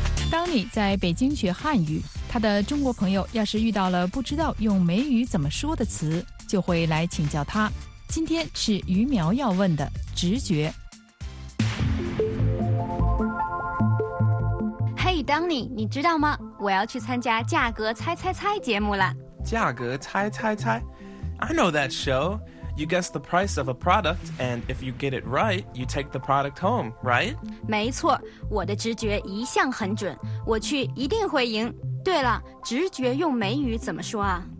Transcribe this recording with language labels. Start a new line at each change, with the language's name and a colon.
Chinese: 当你在北京学汉语，他的中国朋友要是遇到了不知道用美语怎么说的词，就会来请教他。今天是于苗要问的直觉。 Danny， 你知道吗？我要去参加《价格猜猜猜》节目了。价格猜猜猜
English: ？I know that show. You guess the price of a product, and if you get it right, you take the product home, right?
Chinese: 没错，我的直觉一向很准，我去一定会赢。对了，直觉用美语怎么说啊